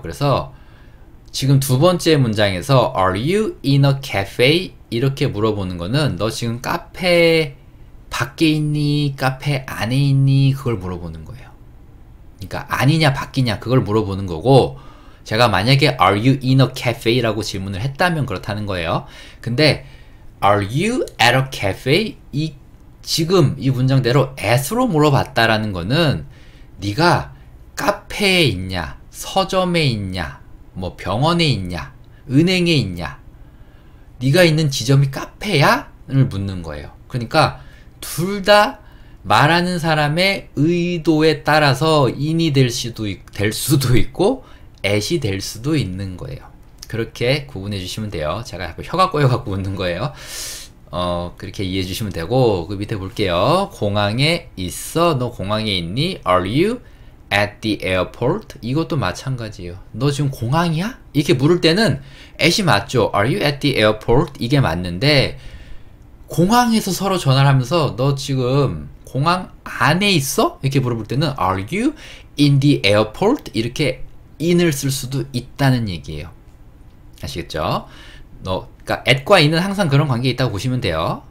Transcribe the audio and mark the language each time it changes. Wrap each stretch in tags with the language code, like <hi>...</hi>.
<ko>그래서 지금 두 번째 문장에서</ko> <en>Are you in a cafe?</en> <ko>이렇게 물어보는 거는 너 지금 카페 밖에 있니? 카페 안에 있니? 그걸 물어보는 거예요. 그러니까 아니냐 밖이냐 그걸 물어보는 거고 제가 만약에</ko> <en>Are you in a cafe?</en> <ko>라고 질문을 했다면 그렇다는 거예요.</ko> <en>근데 Are you at a cafe?</en> <ko>지금 이 문장대로 at으로 물어봤다라는 거는 네가 카페에 있냐, 서점에 있냐, 뭐 병원에 있냐, 은행에 있냐, 네가 있는 지점이 카페야?를 묻는 거예요. 그러니까 둘다 말하는 사람의 의도에 따라서 in이 될 수도 있고 at이 될 수도 있는 거예요. 그렇게 구분해 주시면 돼요. 제가 약간 혀가 꼬여 갖고 웃는 거예요. 그렇게 이해해 주시면 되고 그 밑에 볼게요. 공항에 있어? 너 공항에 있니?</ko> <en>Are you at the airport?</en> <ko>이것도 마찬가지예요. 너 지금 공항이야? 이렇게 물을 때는 at이 맞죠?</ko> <en>Are you at the airport?</en> <ko>이게 맞는데 공항에서 서로 전화를 하면서 너 지금 공항 안에 있어? 이렇게 물어볼 때는</ko> <en>Are you in the airport?</en> <ko>이렇게 in을 쓸 수도 있다는 얘기예요. 아시겠죠? 그러니까 at과 in은 항상 그런 관계에 있다고 보시면 돼요.</ko>